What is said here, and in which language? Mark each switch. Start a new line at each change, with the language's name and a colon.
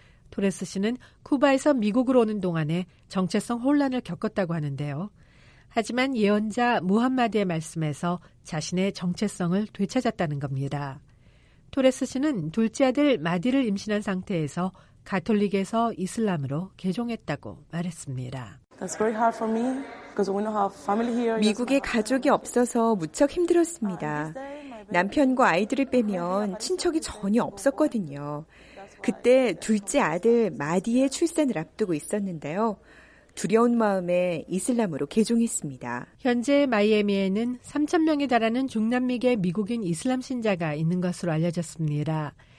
Korean: 토레스 씨는 쿠바에서 미국으로 오는 동안에 정체성 혼란을 겪었다고 하는데요. 하지만 예언자 무함마드의 말씀에서 자신의 정체성을 되찾았다는 겁니다. 토레스 씨는 둘째 아들 마디를 임신한 상태에서 가톨릭에서 이슬람으로 개종했다고 말했습니다.
English: That's very hard for me because we don't have family here.
Korean: 미국에 가족이 없어서 무척 힘들었습니다. 남편과 아이들을 빼면 친척이 전혀 없었거든요. 그때 둘째 아들 마디의 출산을 앞두고 있었는데요. 두려운 마음에 이슬람으로 개종했습니다. 현재 마이애미에는 3천 명에 달하는 중남미계 미국인 이슬람 신자가 있는 것으로 알려졌습니다.